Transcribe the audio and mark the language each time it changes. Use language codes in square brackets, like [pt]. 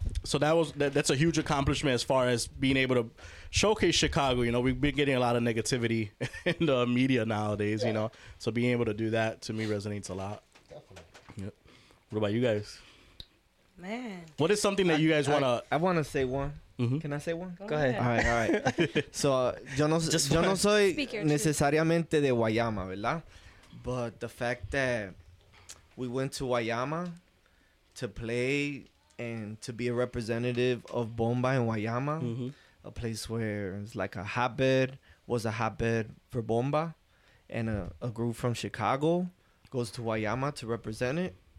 [en] So that's a huge accomplishment as far as being able to showcase Chicago. You know, we've been getting a lot of negativity in the media nowadays. Yeah. You know, so being able to do that to me resonates a lot. Definitely. Yep. What about you guys? Man, what is something that you guys want to? I want to say one. Mm-hmm. Can I say one? Go ahead. All right. [es] So, yo no soy necesariamente de Guayama, ¿verdad? [en] But the fact that we went to Guayama to play and to be a representative of Bomba in Guayama, a place where it's like a hotbed for Bomba, and a group from Chicago goes to Guayama to represent it.